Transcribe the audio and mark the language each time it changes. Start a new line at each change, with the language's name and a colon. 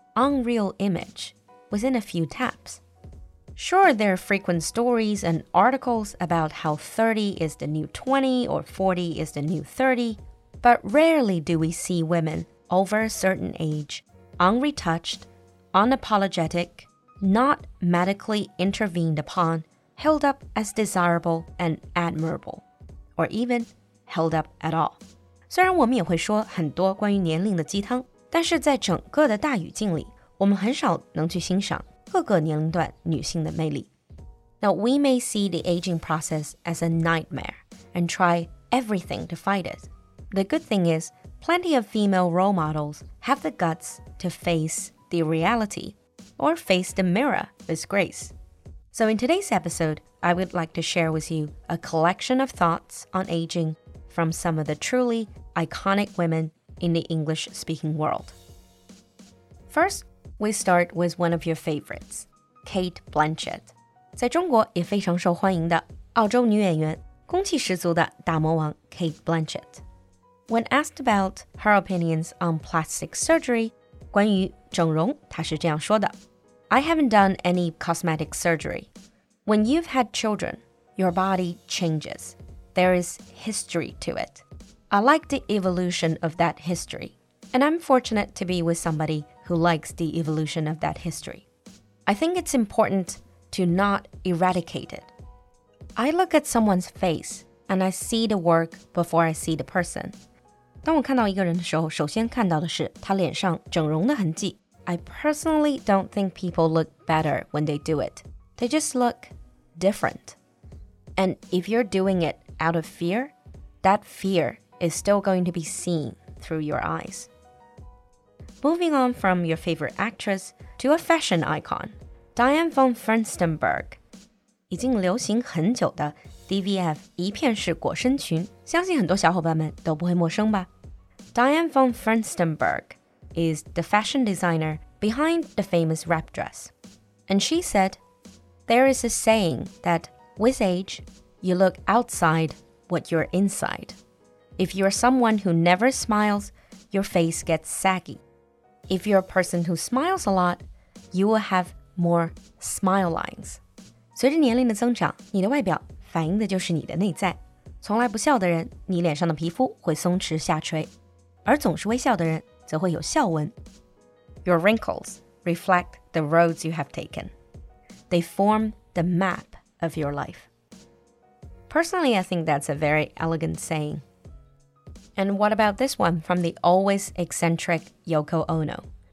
English: unreal image within a few taps. Sure, there are frequent stories and articles about how 30 is the new 20 or 40 is the new 30, but rarely do we see women over a certain age, unretouched, unapologetic, not medically intervened upon, held up as desirable and admirable, or even held up at all.
Chinese: 虽然我们也会说很多关于年龄的鸡汤，但是在整个的大语境里我们很少能去欣赏各个年龄段女性的魅力。
English: Now, we may see the aging process as a nightmare and try everything to fight it. The good thing is, plenty of female role models have the guts to face the reality or face the mirror with grace. So in today's episode, I would like to share with you a collection of thoughts on aging from some of the truly iconic women in the English-speaking world. First,We start with one of your favorites, Kate Blanchett.
Chinese: 在中国也非常受欢迎的澳洲女演员，攻气十足的大魔王 Kate Blanchett.
English: When asked about her opinions on plastic surgery,
Chinese: 关于整容，她是这样说的。
English: I haven't done any cosmetic surgery. When you've had children, your body changes. There is history to it. I like the evolution of that history. And I'm fortunate to be with somebody... who likes the evolution of that history. I think it's important to not eradicate it. I look at someone's face and I see the work before I see the person.
Chinese: 当我看到一个人的时候，首先看到的是他脸上整容的痕迹。
English: I personally don't think people look better when they do it. They just look different. And if you're doing it out of fear, that fear is still going to be seen through your eyes. Moving on from your favorite actress to a fashion icon, Diane von Furstenberg.
Chinese: 已经流行很久的 DVF 一片式裹身裙，相信很多小伙伴们都不会陌生吧。
English: Diane von Furstenberg is the fashion designer behind the famous wrap dress. And she said, There is a saying that with age, you look outside what you're inside. If you're someone who never smiles, your face gets saggy. If you're a person who smiles a lot, you will have more smile lines.
Chinese: 随着年龄的增长，你的外表反映的就是你的内在。从来不笑的人，你脸上的皮肤会松弛下垂，而总是微笑的人则会有笑纹。
English: Your wrinkles reflect the roads you have taken. They form the map of your life. Personally, I think that's a very elegant saying. And what about this one from the always eccentric Yoko Ono?